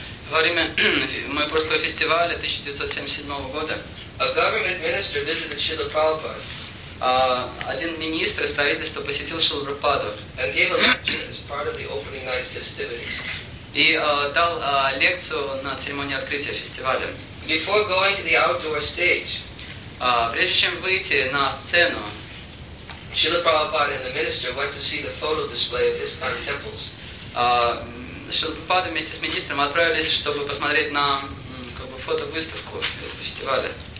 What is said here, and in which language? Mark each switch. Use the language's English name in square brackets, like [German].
[Russian] во время Майпурского фестиваля 1977 года, [English] a government minister visited Srila Prabhupada. [Russian] Один министр из правительства посетил Шрилу Прабхупаду. [English] And gave a lecture as part of the opening night festivities. [Russian] И дал лекцию на церемонии открытия фестиваля. [English] Before going to the outdoor stage, [Russian] прежде чем выйти на сцену, [English] Srila Prabhupada and the minister went to see the photo display of ISKCON temples. [Russian] Шрила Прабхупада вместе с министром отправились, чтобы посмотреть на как бы фотовыставку фестиваля.